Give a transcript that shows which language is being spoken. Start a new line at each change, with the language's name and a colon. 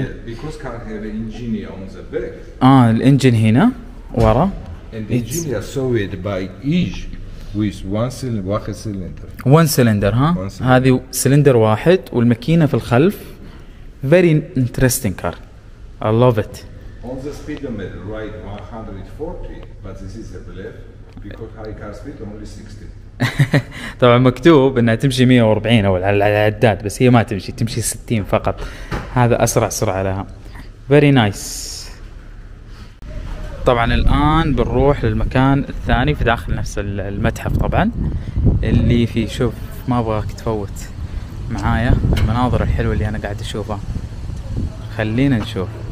English: Yeah, because car have an engine on the back.
Arabic: آه, الإنجن هنا ورا.
English: And the engine is Soviet by each with one cylinder,
Arabic: واحد
English: cylinder. One cylinder, ها؟ One
Arabic: هذه cylinder واحد والمكينة في الخلف.
English: Very interesting car. I love it. On the speedometer, right, 140, but this is a bluff because high car speed only 60.
Arabic: طبعا مكتوب انها تمشي 140 او على العداد، بس هي ما تمشي، تمشي 60 فقط. هذا اسرع سرعه لها.
English: Very nice.
Arabic: طبعا الان بنروح للمكان الثاني في داخل نفس المتحف طبعا، اللي فيه، شوف ما ابغاك تفوت معايا المناظر الحلوه اللي انا قاعد اشوفها. خلينا نشوف.